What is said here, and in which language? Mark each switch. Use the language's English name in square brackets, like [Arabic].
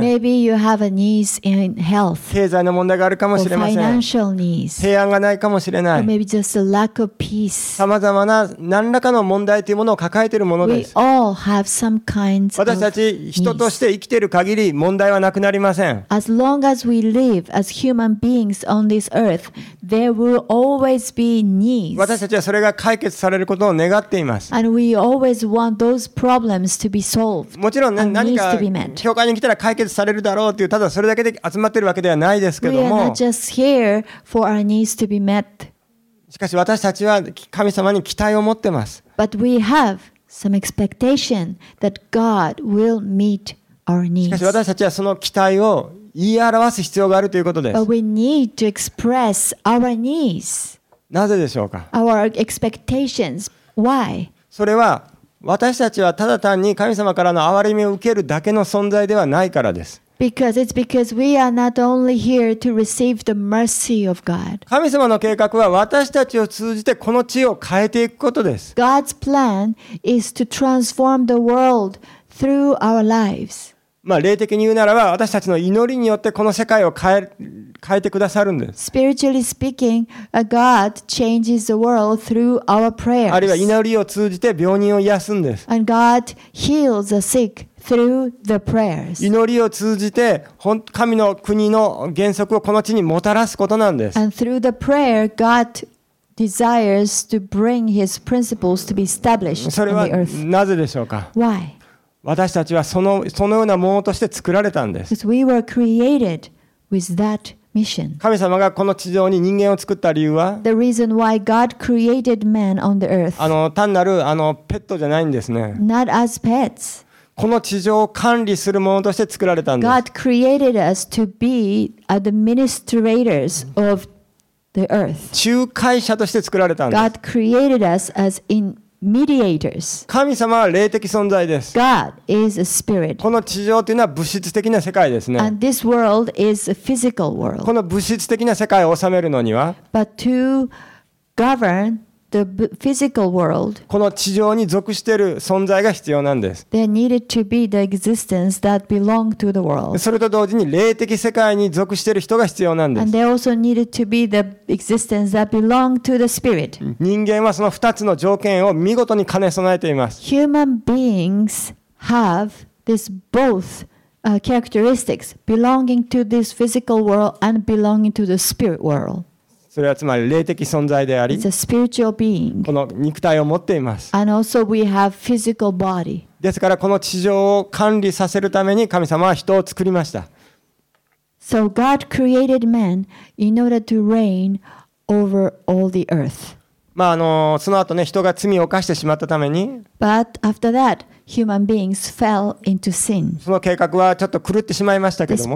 [English] Maybe you have a needs in health. [Japanese] 経済の問題があるかもしれません。 [English] Or financial needs. [Japanese] 平安がないかもしれない。 [English] Or maybe just a lack of peace. [Japanese] さまざまな何らかの問題というものを抱えているものです。 [English] We all have some kinds of needs. [Japanese] 私たち人として生きている限り問題はなくなりません。 [English] As long as we live as human beings on this earth, there will always be needs. [Japanese] 私たちはそれが解決されることを願っています。 [English] And we always want those problems to be solved. [Japanese] もちろんね。何か教会に来たら解決されるだろうというただそれだけで集まっているわけではないですけども、 [English] We are not just here for our needs to be met. [Japanese] しかし私たちは神様に期待を持ってます。 [English] But we have some expectation that God will meet our needs. [Japanese] しかし私たちはその期待を言い表す必要があるということです。 [English] But we need to express our needs. [Japanese] なぜでしょうか。 [English] Our expectations. Why? [Japanese] それは私たちはただ単に神様からの憐れみを受けるだけの存在ではないからです。 [English] Because it's because we are not only here to receive the mercy of God. [Japanese] 神様の計画は私たちを通じてこの地を変えていくことです。 [English] God's plan is to transform the world through our lives. [Japanese] まあ霊的に言うならば私たちの祈りによってこの世界を変えてくださるんです。 [English] Spiritually speaking, God changes the world through our prayers. [Japanese] あるいは祈りを通じて病人を癒すんです。 [English] And God heals the sick through the prayers. [Japanese] 祈りを通じて神の国の原則をこの地にもたらすことなんです。 [English] And through the prayer, God desires to bring His principles to be established on the earth. [Japanese] それはなぜでしょうか。 [English] Why? [Japanese] 私たちはそのようなものとして作られたんです。 [English] Because we were created with that. [Japanese] 神様がこの地上に人間を作った理由は、 [English] The reason why God created man on the earth. [Japanese] 単なるペットじゃないんですね。 [English] Not as pets. [Japanese] この地上を管理するものとして作られたんです。 [English] God created us to be administrators of the earth. [Japanese] 仲介者として作られたんです。 [English] God created us as mediators. [Japanese] 神様は霊的存在です。 [English] God is a spirit. [Japanese] この地上というのは物質的な世界ですね。 [English] And this world is a physical world. [Japanese] この物質的な世界を治めるのには、 [English] But to govern the physical world, [Japanese] この地上に属している存在が必要なんです。 [English] There needed to be the existence that belonged to the world. [Japanese] それと同時に霊的世界に属している人が必要なんです。 [English] And there also needed to be the existence that belonged to the spirit. [Japanese] 人間はその2つの条件を見事に兼ね備えています。 [English] Human beings have this both. Characteristics belonging to this physical world and belonging to the spirit world. [Japanese] それはつまり霊的存在であり、 [English] It's a spiritual being. [Japanese] この肉体を持っています。 [English] And also we have physical body. [Japanese] ですからこの地上を管理させるために神様は人を作りました。 [English] So God created man in order to reign over all the earth. [Japanese] まあその後ね、人が罪を犯してしまったために、 [English] But after that, human beings fell into sin. [Japanese] その計画はちょっと狂ってしまいましたけども、